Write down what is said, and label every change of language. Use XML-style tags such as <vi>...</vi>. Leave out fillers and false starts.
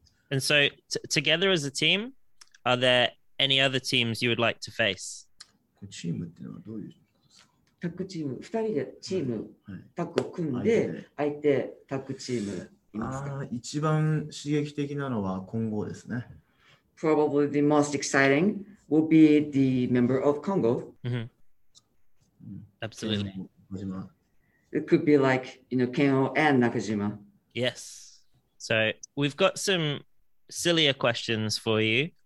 <en>And so together as a team, are there any other teams you would like to face?</en> <ja>チームってのはどういうタッグチーム、2人でチーム、タッグを組んで、相手タッグチーム。一番刺激的なのは混合ですね。</ja> <en>Probably the most exciting will be the member of Congo.、 Mm-hmm. Absolutely. It could be like, you know, Keno and Nakajima. Yes. So we've got some sillier questions for you.</en>